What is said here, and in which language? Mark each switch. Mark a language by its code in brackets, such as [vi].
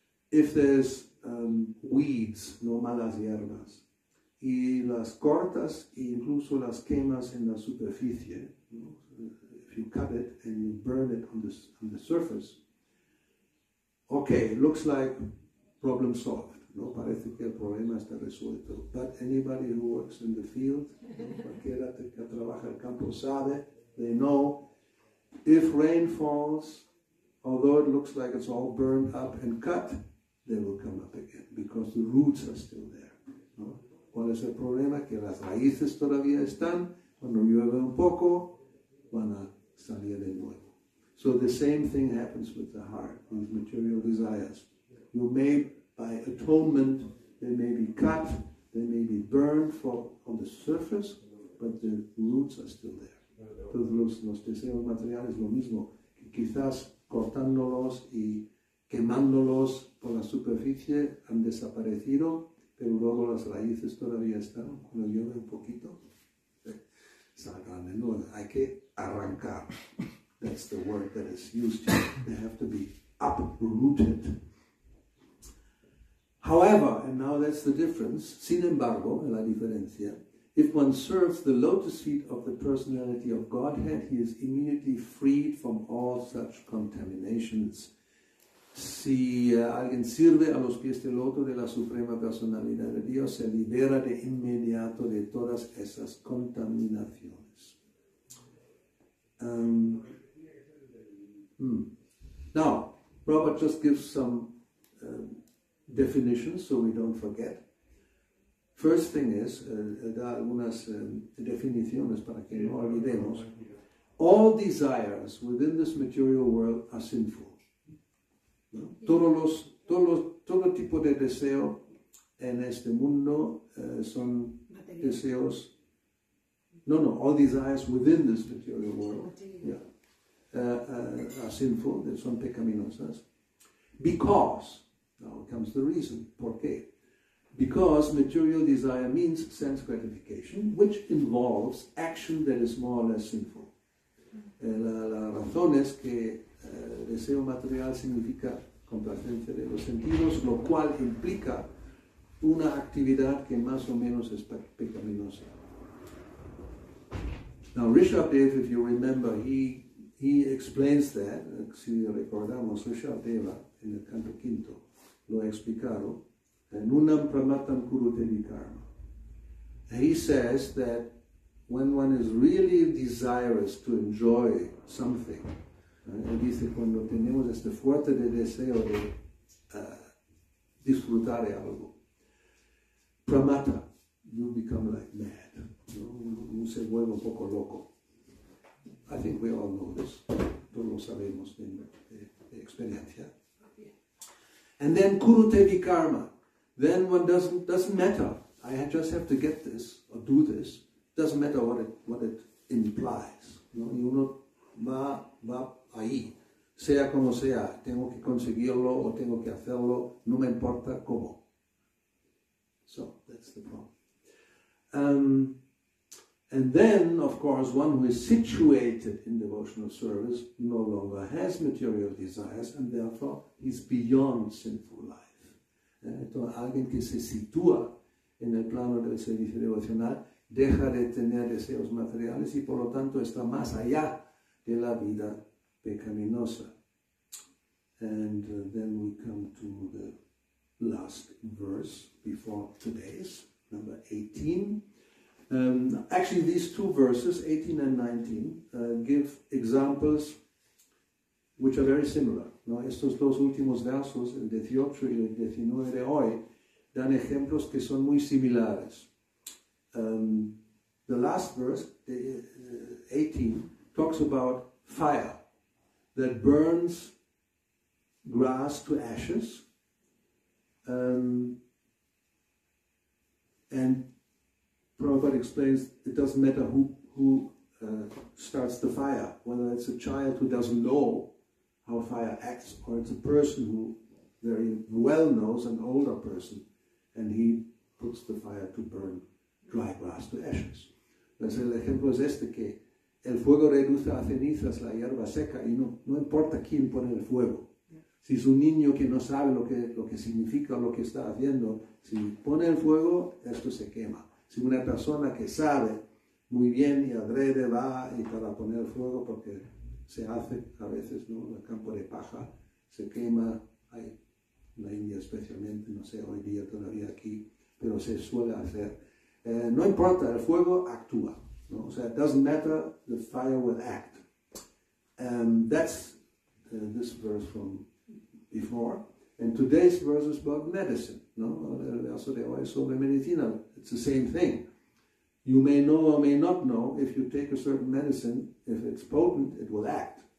[en] If there's weeds, [es] no malas hierbas, y las cortas e incluso las quemas en la superficie, ¿no? [en] If you cut it and you burn it on the surface, okay, looks like problem solved. [es] No, parece que el problema está resuelto. [en] But anybody who works in the field, [es] cualquiera que trabaja el campo sabe, [en] they know, if rain falls, although it looks like it's all burned up and cut, they will come up again because the roots are still there. [es] No? ¿Cuál es el problema? Que las raíces todavía están. Cuando llueve un poco, van a salir de nuevo. [en] So the same thing happens with the heart, with material desires. You may, by atonement, they may be cut, they may be burned on the surface, but the roots are still there. [es] Todos los deseos materiales, lo mismo. Quizás cortándolos y quemándolos por la superficie han desaparecido, pero luego las raíces todavía están, cuando llueve un poquito, salgan de nuevo. Hay que arrancar. [en] That's the word that is used. They have to be uprooted. However, and now that's the difference, [es] sin embargo, la diferencia, [en] if one serves the lotus feet of the personality of Godhead, he is immediately freed from all such contaminations. [es] Si alguien sirve a los pies del loto de la Suprema Personalidad de Dios, se libera de inmediato de todas esas contaminaciones. [en] Now, Prabhupada just gives some definitions so we don't forget. First thing is, [es] da algunas definiciones para que no olvidemos. [en] All desires within this material world are sinful. [es] ¿No? Todo tipo de deseo en este mundo son deseos. [en] No, all desires within this material world. Yeah. Are sinful, they [es] son pecaminosas. [en] Because, now comes the reason, [es] ¿por qué? [en] Because material desire means sense gratification, which involves action that is more or less sinful. [es] La razón es que deseo material significa complacencia de los sentidos, lo cual implica una actividad que más o menos es pecaminosa. [en] Now Rishabdev, if you remember, he explains that, [es] si recordamos Rishabdeva en el canto quinto, lo explicaron, [sa] nunam pramatam kuru tevikarma. [en] He says that when one is really desirous to enjoy something, [es] él dice cuando tenemos este fuerte de deseo de disfrutar de algo, [en] pramata, you become like mad, ¿no? [es] Se vuelve un poco loco. [en] I think we all know this, [es] todos lo sabemos de experiencia. [en] And then kuru te vikarma, then one doesn't matter. I just have to get this or do this. Doesn't matter what it implies. ¿No? [es] Y uno va ahí, sea como sea, tengo que conseguirlo o tengo que hacerlo, no me importa cómo. [en] So that's the problem. And then, of course, one who is situated in devotional service no longer has material desires, and therefore is beyond sinful life. Entonces, alguien que se sitúa en el plano del servicio devocional deja de tener deseos materiales y, por lo tanto, está más allá de la vida pecaminosa. And then we come to the last verse before today's, number 18. Actually, these two verses, 18 and 19, give examples which are very similar. [es] ¿No? Estos dos últimos versos, el 18 y el 19 de hoy, dan ejemplos que son muy similares. [en] The last verse, 18, talks about fire that burns grass to ashes. And Prabhupada explains it doesn't matter who starts the fire, whether it's a child who doesn't know how fire acts, or it's a person who very well knows, an older person, and he puts the fire to burn dry grass to ashes. [es] Entonces el ejemplo es este, que el fuego reduce a cenizas la hierba seca, y no importa quién pone el fuego. Si es un niño que no sabe lo que significa lo que está haciendo, si pone el fuego, esto se quema. Si una persona que sabe muy bien y adrede va y para poner el fuego, porque se hace a veces, ¿no? El campo de paja se quema, hay en la India especialmente, no sé, hoy día todavía aquí, pero se suele hacer. No importa, el fuego actúa, ¿no? [en] O sea, it doesn't matter, the fire will act. That's this verse from before. And today's verse is about medicine, ¿no? [es] El verso de hoy es sobre medicina. [en] It's the same thing. You may know or may not know, if you take a certain medicine, if it's potent, it will act.